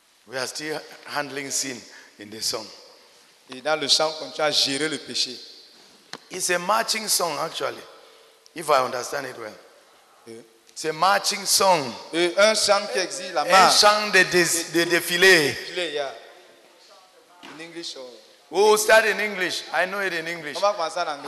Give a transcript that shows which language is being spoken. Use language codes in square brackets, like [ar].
[en] We are still handling sin in the song. [fr] Et dans le chant, quand tu as géré le péché. [en] It's a marching song, actually, if I understand it well. It's a marching song. [fr] Un chant qui exige la marche. Un chant de défilé. [en] Défilé, yeah. In English or? We'll start in English. I know it in English. [fr] On va commencer en anglais.